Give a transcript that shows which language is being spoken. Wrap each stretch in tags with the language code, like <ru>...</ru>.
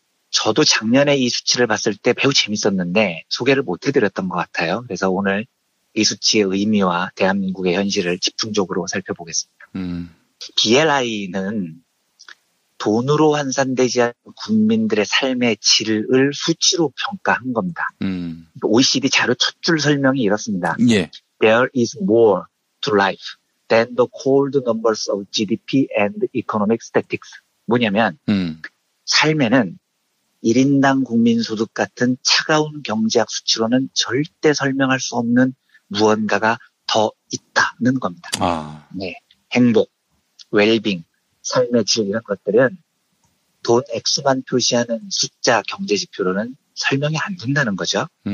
<ko>저도 작년에 이 수치를 봤을 때 매우 재밌었는데 소개를 못해드렸던 것 같아요. 그래서 오늘 이 수치의 의미와 대한민국의 현실을 집중적으로 살펴보겠습니다. BLI는 돈으로 환산되지 않은 국민들의 삶의 질을 수치로 평가한 겁니다. OECD 자료 첫 줄 설명이 이렇습니다. 예.</ko> <en>There is more to life than the cold numbers of GDP and economic statistics.</en> <ko>뭐냐면 삶에는 1인당 국민소득 같은 차가운 경제학 수치로는 절대 설명할 수 없는 무언가가 더 있다는 겁니다. 아. 네. 행복, 웰빙. 삶의 질 이런 것들은 돈 액수만 표시하는 숫자 경제 지표로는 설명이 안 된다는 거죠.</ko>